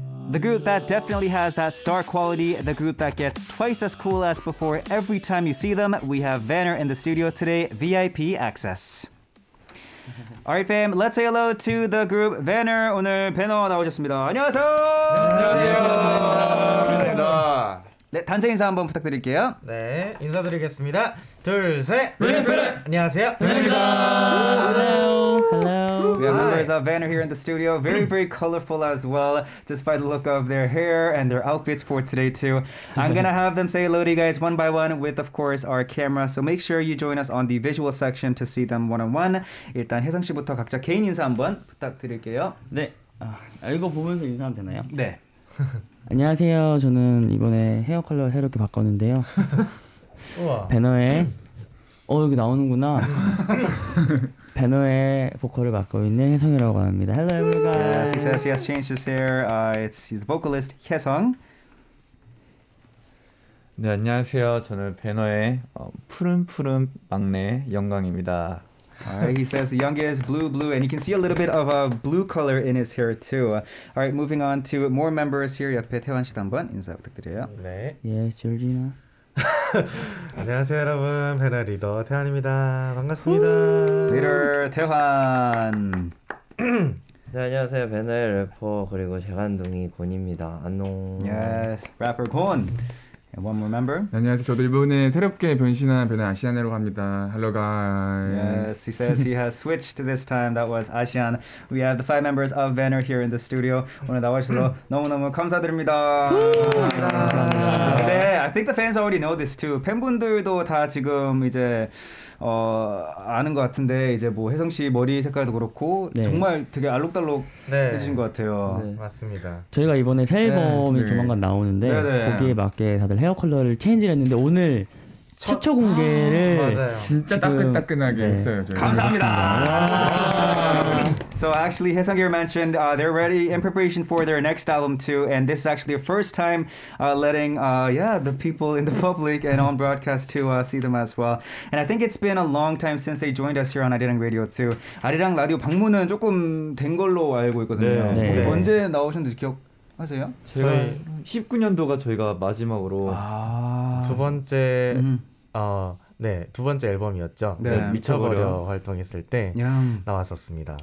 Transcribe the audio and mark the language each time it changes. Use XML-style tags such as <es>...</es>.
<en>The group that definitely has that star quality, the group that gets twice as cool as before every time you see them, we have Vanner in the studio today, VIP access. All right, fam, let's say hello to the group Vanner.</en> <ko>오늘 배너 나오셨습니다. 안녕하세요! 안녕하세요! 반갑습니다. 네, 단체 인사 한번 부탁드릴게요. 네, 인사드리겠습니다. 둘, 셋! 룰리펠! 안녕하세요. 룰리입니다.</ko> <en>Hello. We have members of Vanner here in the studio. Very, very colorful as well, just by the look of their hair and their outfits for today, too. I'm going to have them say hello to you guys one by one with, of course, our camera. So make sure you join us on the visual section to see them one-on-one.</en> <ko>일단 혜성 씨부터 각자 개인 인사 한번 부탁드릴게요. 네, 아, 이거 보면서 인사하면 되나요? 네. 안녕하세요. 저는 이번에 헤어 컬러를 새롭게 바꿨는데요. 우와. 배너에 여기 나오는구나. 배너의 보컬을 맡고 있는 혜성이라고 합니다.</ko> <en>Hello everyone. Yes, he says he has changed his hair. He's the vocalist 혜성.</en> <ko>네, 안녕하세요. 저는 배너의 푸른푸른 막내 영광입니다.</ko> <en>All right, he says the youngest, blue, and you can see a little bit of a blue color in his hair too. All right, moving on to more members here.</en> <ko>옆에 태환 씨도 한번 인사 부탁드려요. 네.</ko> <en>Yes, Georgina.</en> <ko>안녕하세요, 여러분. 배너 리더 태환입니다. 반갑습니다. 리더 태환. 네, 안녕하세요. 배너의 래퍼 그리고 재간둥이 곤입니다. 안녕.</ko> <en>Yes, rapper 곤. One more member.</en> <ko>안녕하세요. 저도 이번에 새롭게 변신한 배너 아시안으로 갑니다.</ko> <en>Hello, guys. Yes, he says he has switched this time. That was Asian. We have the five members of Vanner here in the studio.</en> <ko>오늘 나와주셔서 너무너무 감사드립니다. 감사합니다.</ko> <en>네, I think the fans already know this too.</en> <ko>팬분들도 다 지금 이제 아는 것 같은데 이제 뭐 혜성 씨 머리 색깔도 그렇고 네. 정말 되게 알록달록 네. 해주신 것 같아요. 네. 맞습니다. 저희가 이번에 새 앨범이 네. 조만간 나오는데 네. 거기에 맞게 다들 헤어 컬러를 체인지를 했는데 오늘 최초 공개를 맞아요. 진짜 따끈따끈하게 네. 했어요. 저희. 감사합니다.</ko> <en>So actually, Hyesung here mentioned they're ready in preparation for their next album too, and this is actually the first time letting the people in the public and on broadcast to see them as well. And I think it's been a long time since they joined us here on Arirang Radio too.</en> <ko>Arirang Radio 방문은 조금 된 걸로 알고 있거든요. 네. 네. 언제 나오셨는지 기억하세요? 제가 19년도가 저희가 마지막으로 두 번째 네, 두 번째 앨범이었죠. 네, 미쳐버려 활동했을 때 나왔었습니다.</ko>